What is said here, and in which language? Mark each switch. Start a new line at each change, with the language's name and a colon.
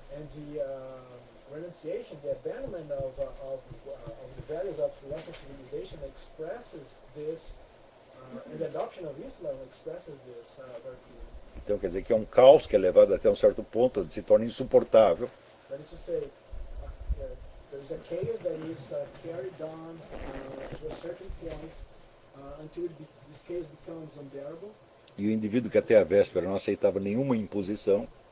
English: And the renunciation, the abandonment of the values of Western civilization expresses this. The adoption of Islam expresses this very.
Portuguese: Então quer dizer que é um caos que é levado até um certo ponto onde se torna insuportável.
English: That is to say, there is a chaos that is carried on to a certain point until this chaos becomes unbearable.
Portuguese: E o indivíduo que até a véspera não aceitava nenhuma imposição.